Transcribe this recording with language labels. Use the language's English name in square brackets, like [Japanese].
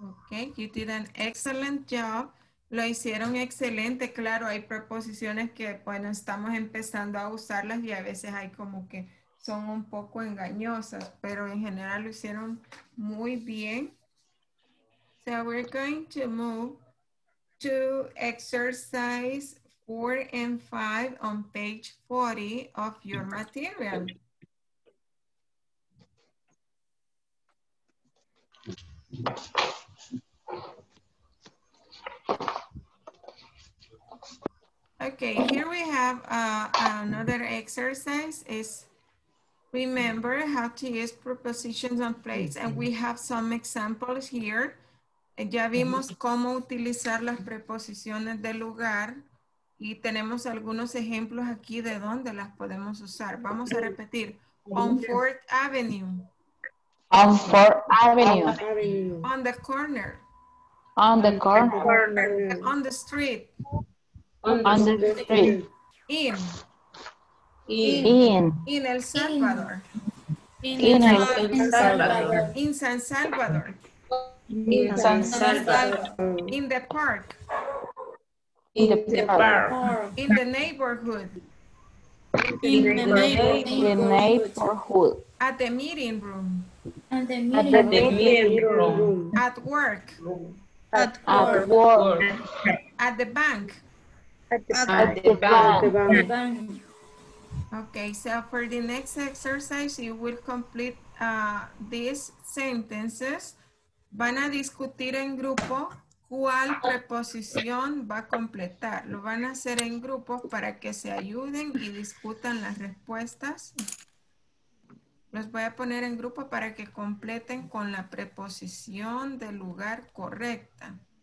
[English] Okay, you did an excellent job. [Spanish] Lo hicieron excelente, claro, hay preposiciones que, bueno, estamos empezando a usarlas y a veces hay como que son un poco engañosas, pero en general lo hicieron muy bien. [English] So we're going to move to exercise 4 and 5 on page 40 of your material. Okay, here we have another exercise. Is remember how to use prepositions on place, and we have some examples here. [Spanish] Ya vimos cómo utilizar las preposiciones de lugar y tenemos algunos ejemplos aquí de dónde las podemos usar. Vamos a repetir. [English] On 4th Avenue. On 4th Avenue. On the corner. On the corner. On the street. On the street. In. In. In El Salvador. In El Salvador. In San Salvador. In San Salvador. In the park. In the park. In the neighborhood. In the neighborhood. In the neighborhood. At the meeting room. At the meeting room. At work. At work. At the bank. At the bank. Okay, so for the next exercise, you will complete these sentences. [Spanish] Van a discutir en grupo cuál preposición va a completar. Lo van a hacer en grupo para que se ayuden y discutan las respuestas. Los voy a poner en grupo para que completen con la preposición del lugar correcta.